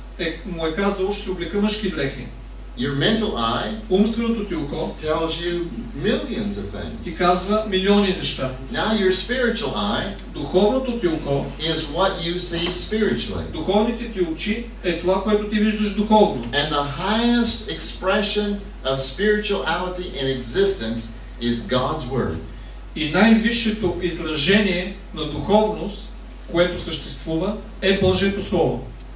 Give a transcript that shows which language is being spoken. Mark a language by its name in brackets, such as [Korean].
[Bulgarian] Е, му е казал, ще се облека мъжки дрехи. [English] Your mental eye, [Bulgarian] умственото ти око, [English] tells you millions of things. [Bulgarian] Ти казва милиони неща. [English] Now your spiritual eye, [Bulgarian] духовното ти око, [English] is what you see spiritually. [Bulgarian] Духовните ти очи е това, което ти виждаш духовно. [English] And the highest expression of spirituality in existence is God's word. [Bulgarian] И най-висшето изражение на духовност, което съществува, е Божието слово.